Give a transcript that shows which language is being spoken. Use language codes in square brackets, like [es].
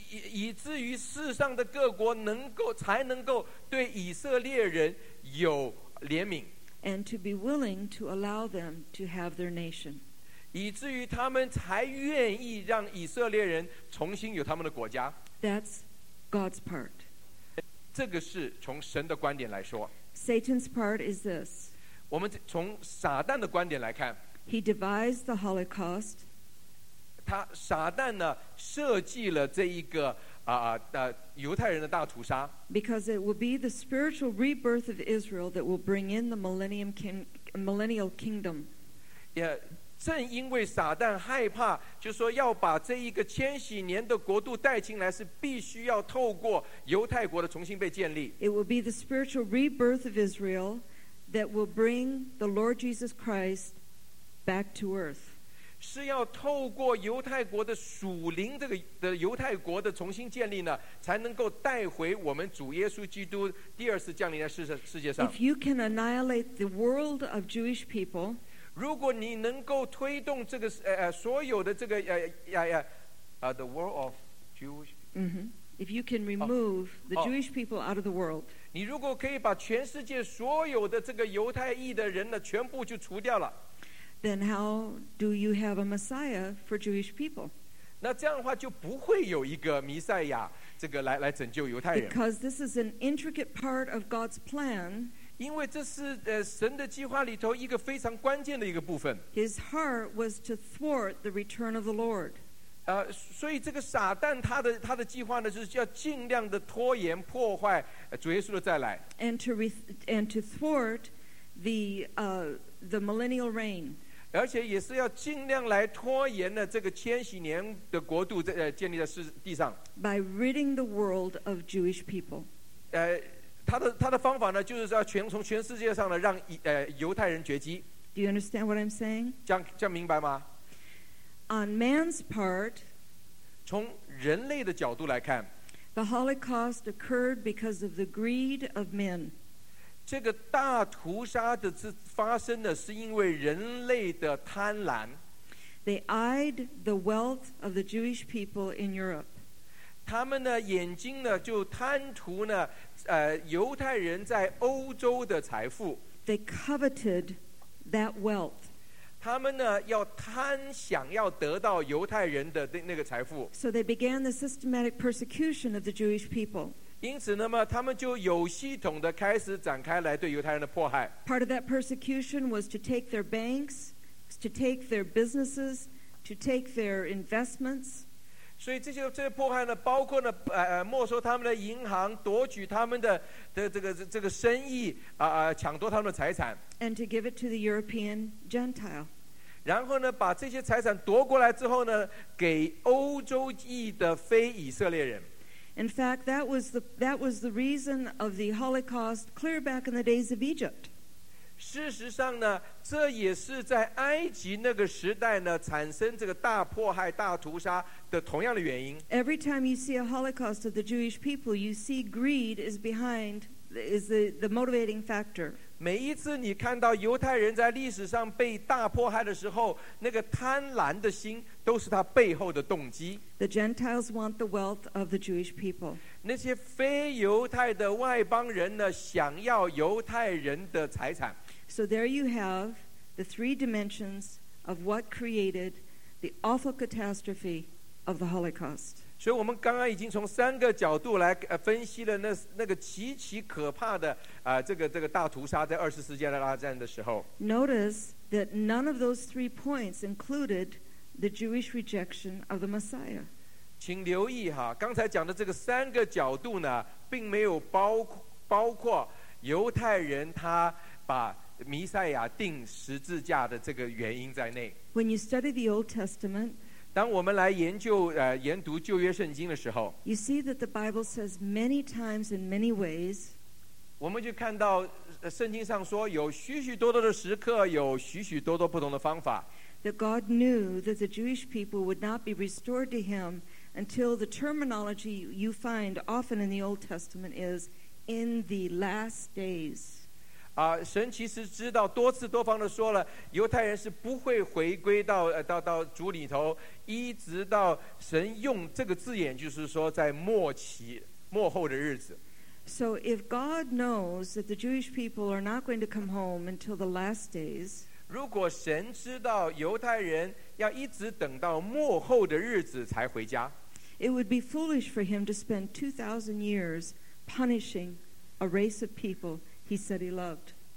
[zh] 以至于世上的各国才能够对以色列人有怜悯 [en] And to be willing to allow them to have their nation. [zh] 以至于他们才愿意让以色列人重新有他们的国家。 [en] That's God's part. [zh] 这个是从神的观点来说。 [en] Satan's part is this. [zh] 我们从撒旦的观点来看。 [en] He devised the Holocaust. [zh] 撒旦呢，设计了这一个犹太人的大屠杀 [en] because it will be the spiritual rebirth of Israel that will bring in the millennial kingdom [zh] 正因为撒旦害怕就说要把这一个千禧年的国度带进来是必须要透过犹太国的重新被建立 [en] it will be the spiritual rebirth of Israel that will bring the Lord Jesus Christ back to earth [zh] 是要透过犹太国的属灵这个的犹太国的重新建立呢才能够带回我们主耶稣基督第二次降临在世界上 [en] If you can annihilate the world of Jewish people [zh] 如果你能够推动这个所有的这个 [en] the world of Jewish If you can remove the Jewish people out of the world [zh] 你如果可以把全世界所有的这个犹太裔的人呢全部就除掉了 [en] Then how do you have a Messiah for Jewish people? [zh] 那这样的话就不会有一个弥赛亚这个来拯救犹太人。 [en] Because this is an intricate part of God's plan. [zh] 因为这是神的计划里头一个非常关键的一个部分。 [en] His heart was to thwart the return of the Lord. [zh] 所以这个撒旦他的计划呢，就是要尽量的拖延破坏主耶稣的再来。 [en] And to thwart the The millennial reign. [zh] 而且也是要尽量来拖延呢这个千禧年的国度在建立在地上。 [en] By ridding the world of Jewish people. [zh] 他的方法呢就是要从全世界上呢让犹太人绝迹。 [en] Do you understand what I'm saying? [zh] 这样明白吗 [en] ？On man's part. [zh] 从人类的角度来看 [en] ，The Holocaust occurred because of the greed of men. [zh] 这个大屠杀的是。发生的是因为人类的贪婪 [en] They eyed the wealth of the Jewish people in Europe [zh] 他们呢眼睛呢就贪图呢犹太人在欧洲的财富 [en] They coveted that wealth [zh] 他们呢要贪想要得到犹太人的那个财富 [en] So they began the systematic persecution of the Jewish people [zh] 因此那么他们就有系统的开始展开来对犹太人的迫害 [en] part of that persecution was to take their banks to take their businesses to take their investments [zh] 所以这些迫害呢包括呢没收他们的银行夺取他们 的这个生意抢夺他们的财产 [en] and to give it to the European Gentile [zh] 然后呢把这些财产夺过来之后呢给欧洲裔的非以色列人 [en] In fact, that was the reason of the Holocaust clear back in the days of Egypt. [zh] 事实上呢，这也是在埃及那个时代呢产生这个大迫害、大屠杀的同样的原因。 [en] Every time you see a Holocaust of the Jewish people, you see greed is behind, is the motivating factor. [zh] 每一次你看到犹太人在历史上被大迫害的时候，那个贪婪的心都是他背后的动机。 [en] The Gentiles want the wealth of the Jewish people. [zh] 那些非犹太的外邦人呢，想要犹太人的财产。 [en] So there you have the three dimensions of what created the awful catastrophe of the Holocaust. [zh] 所以我们刚刚已经从三个角度来分析了那个极其可怕的这个大屠杀，在二次世界大战的时候。 [en] Notice that none of those three points included the Jewish rejection of the Messiah. [zh] 请留意哈，刚才讲的这个三个角度呢，并没有包括犹太人他把弥赛亚钉十字架的这个原因在内。 [en] When you study the Old Testament, [zh] 当我们来研读旧约圣经的时候， [en] you see that the Bible says many times in many ways, [zh] 我们就看到圣经上说有许许多多的时刻，有许许多多不同的方法。 [en] That God knew that the Jewish people would not be restored to him until the terminology you find often in the Old Testament is in the last days. [zh] 神其实知道，多次多方的说了，犹太人是不会回归到主里头，一直到神用这个字眼，就是说在末期末后的日子。 [en] So if God knows that the Jewish people are not going to come home until the last days, [zh] 如果神知道犹太人要一直等到末后的日子才回家， [en] it would be foolish for him to spend 2,000 years punishing a race of people he said he loved.